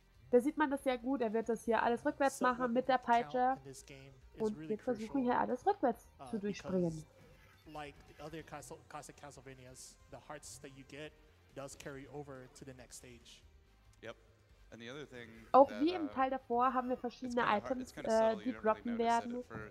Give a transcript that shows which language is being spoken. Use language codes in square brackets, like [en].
[de] Da sieht man das ja gut, er wird das hier alles rückwärts machen mit der Peitsche und wir versuchen hier alles rückwärts zu durchspringen. [en] Like the other Castlevanias, the hearts that you get does carry over to the next stage. Yep. And the other thing, [de] auch wie im Teil davor haben wir verschiedene Items, die droppen werden.